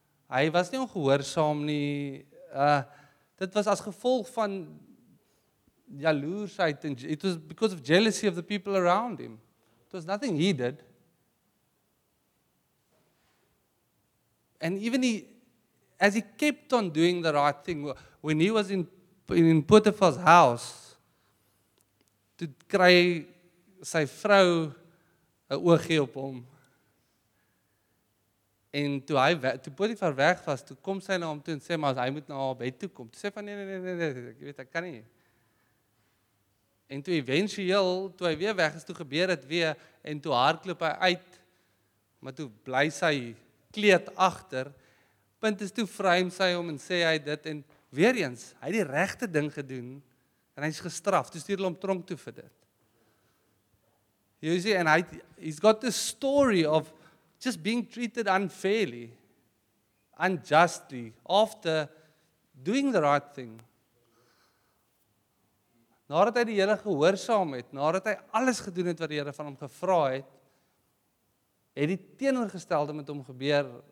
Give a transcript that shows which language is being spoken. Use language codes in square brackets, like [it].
[af] Hy was nie ongehoorsaam nie. Dit was as gevolg van jaloersheid, [en] and it was because of jealousy of the people around him. It was nothing he did. And even as he kept on doing the right thing, when he was in Potiphar's house, to [af] kry sy vrou 'n oogie op hom. En toe Potiphar weg was, toe kom sy na hom toe en sê, maar hy moet na haar bed toe kom. Toe sê van nee, jy weet, ek kan nie. En toe eventueel, toe hy weer weg is, toe gebeur het weer, en toe hardloop hy uit, maar toe bly sy kleed agter. Punt is, toe vry hom sy hom en sê hy dit, en weer eens, hy het die regte ding gedoen, en hy is gestraf, toe stuur hulle hom tronk toe vir dit. [en] You see, and he's got this story of just being treated unfairly, unjustly, after doing the right thing. [af] Nadat hy die Here gehoorsaam het, nadat hy alles gedoen het wat die Here van hom gevra het, het die teenoorgestelde met hom gebeur.